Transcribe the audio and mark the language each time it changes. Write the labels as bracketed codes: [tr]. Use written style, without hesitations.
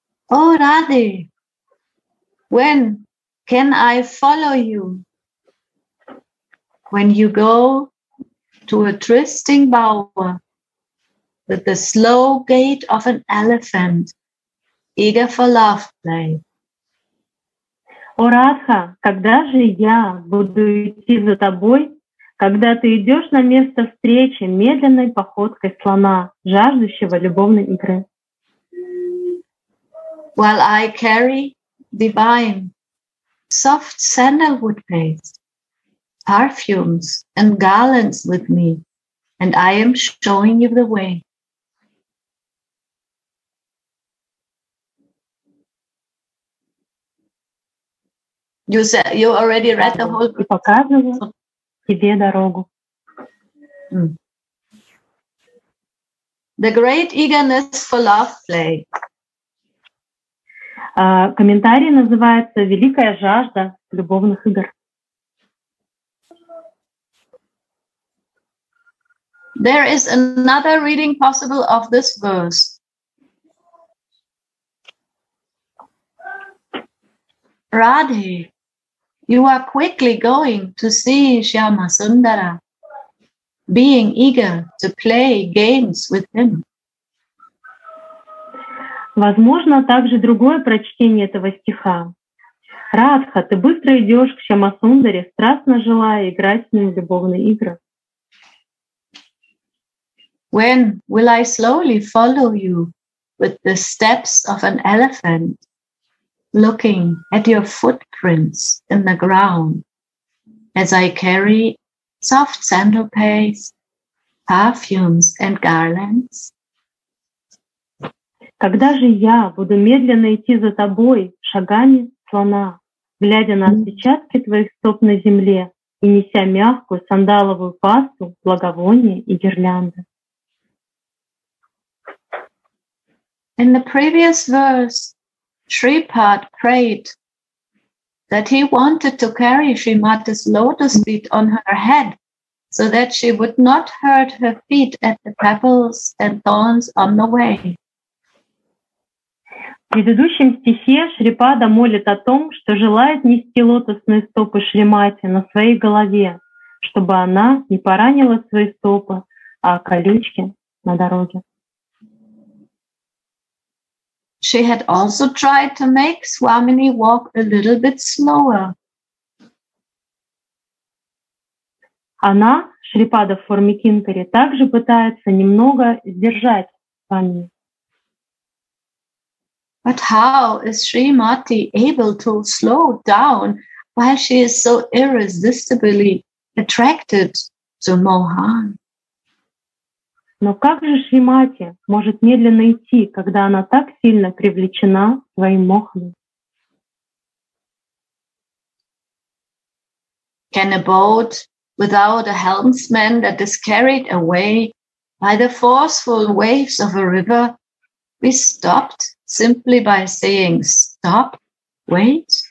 [en] Oh, Radhe, when can I follow you? When you go to a trysting bower with the slow gait of an elephant, eager for love play. [ru] О, Радха, когда же я буду идти за тобой, когда ты идешь на место встречи медленной походкой слона, жаждущего любовной игры? [en] While I carry divine soft sandalwood paste, perfumes and garlands with me, and I am showing you the way. You said you already read the whole book. [ru] Показываю тебе дорогу. [en] The great eagerness for love play. [ru] Комментарий называется «Великая жажда любовных игр». [en] There is another reading possible of this verse. Radhe, you are quickly going to see Shyama Sundara, being eager to play games with him. [ru] Возможно, также другое прочтение этого стиха. Радха, ты быстро идешь к Шамасундаре, страстно желая играть с ним в любовные игры. [en] When will I slowly follow you with the steps of an elephant, looking at your footprints in the ground, as I carry soft sandal paste, perfumes and garlands? [ru] Когда же я буду медленно идти за тобой шагами слона, глядя на отпечатки твоих стоп на земле и неся мягкую сандаловую пасту, благовоние и гирлянды? [en] In the previous verse, Shripad prayed that he wanted to carry Shrimati's lotus feet on her head so that she would not hurt her feet at the pebbles and thorns on the way. [ru] В предыдущем стихе Шрипада молит о том, что желает нести лотосные стопы Шримати на своей голове, чтобы она не поранила свои стопы, а колючки на дороге. [en] She had also tried to make Swamini walk a little bit slower. [ru] Она, Шрипада в форме Кинкари, также пытается немного сдержать Свами. [en] But how is Shrimati able to slow down while she is so irresistibly attracted to Mohan? [ru] Но как же Шримати может медленно идти, когда она так сильно привлечена своим Моханом? [en] Can a boat without a helmsman that is carried away by the forceful waves of a river be stopped simply by saying stop, wait?